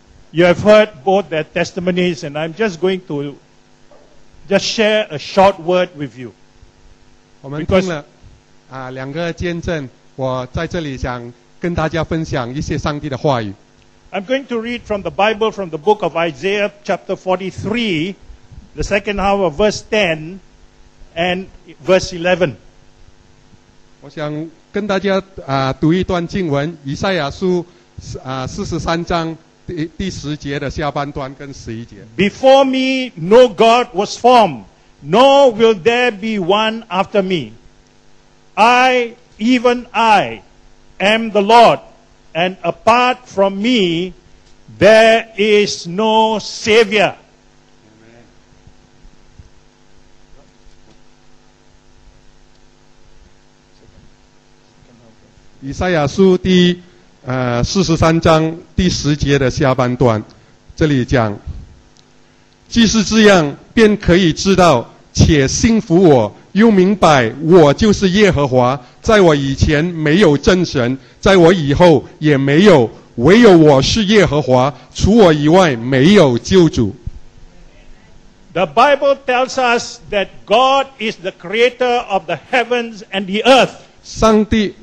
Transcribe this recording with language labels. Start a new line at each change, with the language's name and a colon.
English: You have heard both their testimonies, and I'm just going to just share a short word with you.
Chinese: 我们听了两个见证，我在这里想跟大家分享一些上帝的话语。
English: I'm going to read from the Bible, from the book of Isaiah, chapter 43, the second half of verse 10 and verse 11.
Chinese: 我想跟大家读一段经文，以赛亚书43章第十节的下半段跟十一节。
English: Before me, no God was formed, nor will there be one after me. I, even I, am the Lord. And apart from me, there is no savior. Amen.
Chinese: Isaiah 书第43章第十节的下半段，这里讲，既是这样，便可以知道，且信服我，又明白我就是耶和华，在我以前没有真神，在我以后也没有，唯有我是耶和华，除我以外没有救主。
English: The Bible tells us that God is the creator of the heavens and the earth.